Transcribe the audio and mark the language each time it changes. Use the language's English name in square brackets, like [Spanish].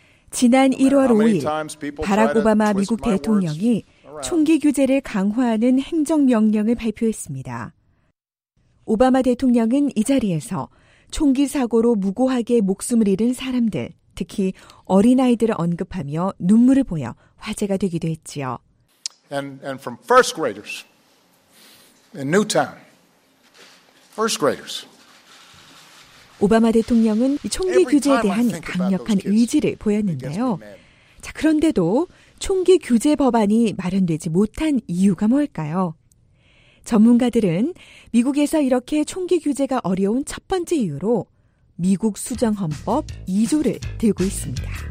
[Korean] 지난 1월 5일 바락 오바마 미국 대통령이 총기 규제를 강화하는 행정명령을 발표했습니다. 오바마 대통령은 이 자리에서 총기 사고로 무고하게 목숨을 잃은 사람들, 특히 어린아이들을 언급하며 눈물을 보여 화제가 되기도 했지요. [English] And from first graders in Newtown, first graders. [Korean] 오바마 대통령은 총기 규제에 대한 강력한 의지를 보였는데요. 자, 그런데도 총기 규제 법안이 마련되지 못한 이유가 뭘까요? 전문가들은 미국에서 이렇게 총기 규제가 어려운 첫 번째 이유로 미국 수정 헌법 2조를 들고 있습니다.